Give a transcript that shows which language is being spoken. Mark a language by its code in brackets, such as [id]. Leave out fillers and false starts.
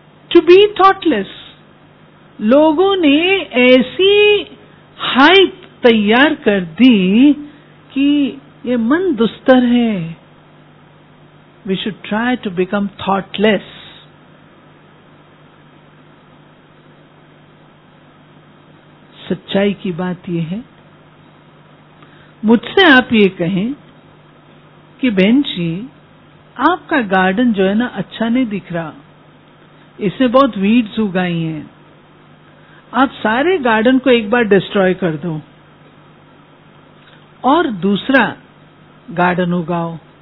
[en] To be thoughtless, [ur] لوگوں نے ایسی ہائپ تیار کر دی کہ یہ من دستر ہے. [en] We should try to become thoughtless. [ur] سچائی کی بات یہ ہے, مجھ سے آپ یہ کہیں کہ بہن جی آپ کا گارڈن جو ہے نا اچھا نہیں دکھ رہا, اس میں بہت ویڈز اگائی ہیں, آپ سارے گارڈن کو ایک بار ڈسٹروائے کر دو اور دوسرا گارڈن اگاؤ.